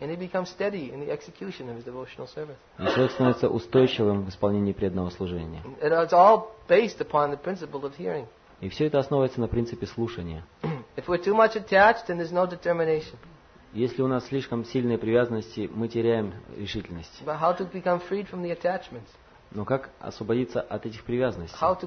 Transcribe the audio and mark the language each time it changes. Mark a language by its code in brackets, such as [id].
[en] And he becomes steady in the execution of his devotional service. [ru] И человек становится устойчивым в исполнении преданного служения. [en] And it's all based upon the principle of hearing. [ru] И все это основывается на принципе слушания. [en] If we're too much attached, then there's no determination. [ru] Если у нас слишком сильные привязанности, мы теряем решительность. [en] But how to become freed from the attachments? [ru] Но как освободиться от этих привязанностей?